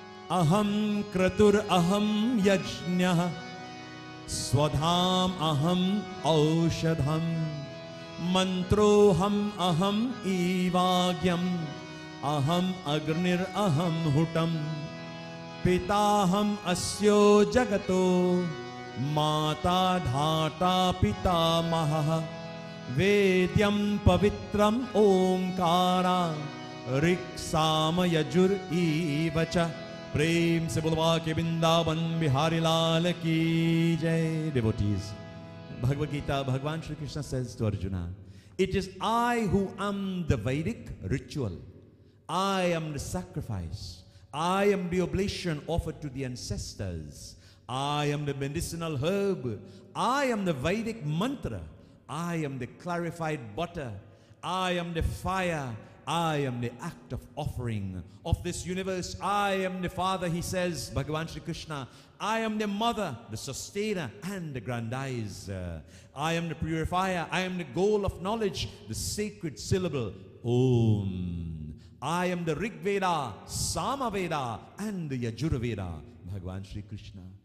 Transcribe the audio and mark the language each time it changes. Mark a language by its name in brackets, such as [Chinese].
[Sanskrit] अहम् क्रतुर अहम् यज्ञः स्वधाम अहम् औषधम् मंत्रोहम् अहम् ईवाग्यम् अहम् अग्निर अहम् हुतम् पिताहम् अस्यो जगतो माता धाता पितामहः वेद्यम् पवित्रम् ओंकारा रिक साम यजुर ई वचा [Hindi] प्रेम से बुलवा के वृंदावन बिहारी लाल की जय. [English] Devotees Bhagavad Gita Bhagwan Shri Krishna says to Arjun it is I who am the Vedic ritual I am the sacrifice I am the oblation offered to the ancestors I am the medicinal herb I am the Vedic mantra I am the clarified butter I am the fire I am the act of offering of this universe. I am the father, he says, Bhagavan Shri Krishna. I am the mother, the sustainer, and the grandizer. I am the purifier. I am the goal of knowledge, the sacred syllable, Om. I am the Rig Veda, Sama Veda, and the Yajur Veda, Bhagavan Shri Krishna.